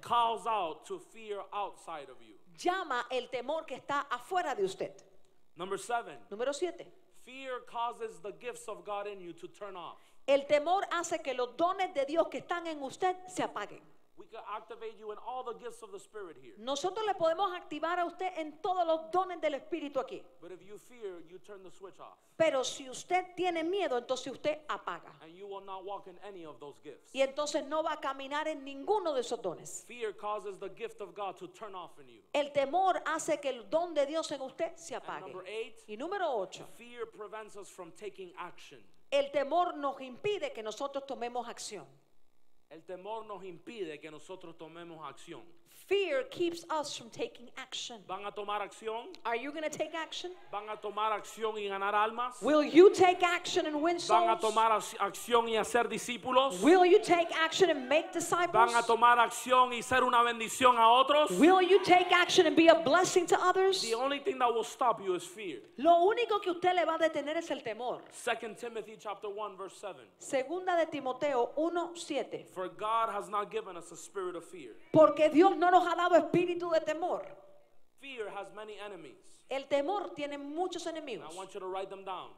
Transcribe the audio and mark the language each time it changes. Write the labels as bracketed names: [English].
[English] calls out to fear outside of you, [Spanish] llama el temor que está afuera de usted. [English] Number seven, [Spanish] número 7. [English] Fear causes the gifts of God in you to turn off. [Spanish] El temor hace que los dones de Dios que están en usted se apaguen. [English] We can activate you in all the gifts of the Spirit here. [Spanish] Nosotros le podemos activar a usted en todos los dones del Espíritu aquí. [English] But if you fear, you turn the switch off. [Spanish] Pero si usted tiene miedo, entonces usted apaga. [English] And you will not walk in any of those gifts. [Spanish] Y entonces no va a caminar en ninguno de esos dones. [English] Fear causes the gift of God to turn off in you. [Spanish] El temor hace que el don de Dios en usted se apague. [English] And number eight, [Spanish] y número 8. [English] Fear prevents us from taking action. [Spanish] El temor nos impide que nosotros tomemos acción. El temor nos impide que nosotros tomemos acción. [English] Fear keeps us from taking action. [Spanish] ¿Van a tomar acción? [English] Are you going to take action? [Spanish] ¿Van a tomar acción y ganar almas? [English] Will you take action and win souls? [Spanish] ¿Van a tomar acción y hacer discípulos? [English] Will you take action and make disciples? [Spanish] ¿Van a tomar acción y ser una bendición a otros? [English] Will you take action and be a blessing to others? The only thing that will stop you is fear. [Spanish] Lo único que usted le va a detener es el temor. [English] 2 Timothy chapter 1 verse 7. [Spanish] Segunda de Timoteo 1:7. [English] For God has not given us a spirit of fear. [Spanish] Porque Dios no nos ha dado espíritu de temor. [English] Fear has many enemies. [Spanish] El temor tiene muchos enemigos. [English] And I want you to write them down.